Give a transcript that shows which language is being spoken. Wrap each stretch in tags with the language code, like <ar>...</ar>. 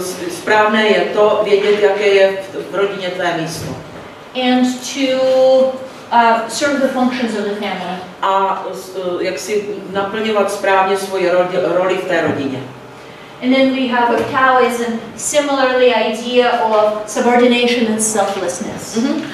<cs>Správné je to vědět, jaké je v rodině tvé místo.</cs> <en>And to serve the functions of the family.</en> <cs>A jak si naplňovat správně svoji roli v té rodině.</cs> <en>And then we have a Taoism, similarly idea of subordination and selflessness.</en>